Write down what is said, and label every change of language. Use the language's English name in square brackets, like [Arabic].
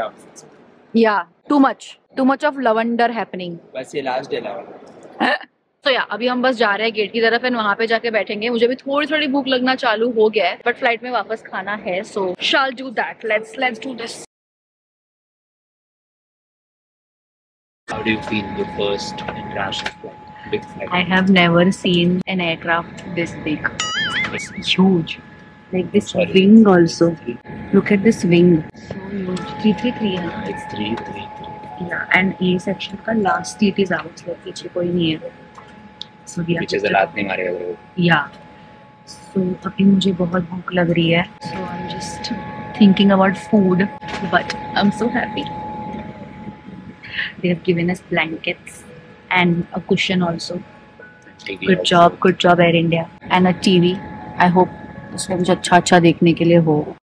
[English] आप या too much of lavender happening [Hindi] बस ये लास्ट डे लवंडर तो या अभी हम बस जा रहे हैं गेट की तरफ एंड वहां पे जाके बैठेंगे मुझे भी थोड़ी थोड़ी भूख लगना चालू हो गया है बट फ्लाइट में वापस खाना है [English] So shall do that let's do this How do you feel your first international flight? I have never seen an aircraft this big. It's huge. Like this wing also. Look at this wing. So huge. 333 है. It's 333. Yeah, and A section का last seat is out. [Hindi] So पीछे कोई नहीं है. [English] So we are. [Hindi] पीछे जलात नहीं मारेगा वो. [English] Yeah. [Hindi] So अभी मुझे बहुत भूख लग रही है. [English] So I'm just thinking about food, but I'm so happy. They have given us blankets and a cushion also. TV good also. job, good job Air India and a TV. I hope [Hindi] उसमें कुछ अच्छा-अच्छा देखने के लिए हो.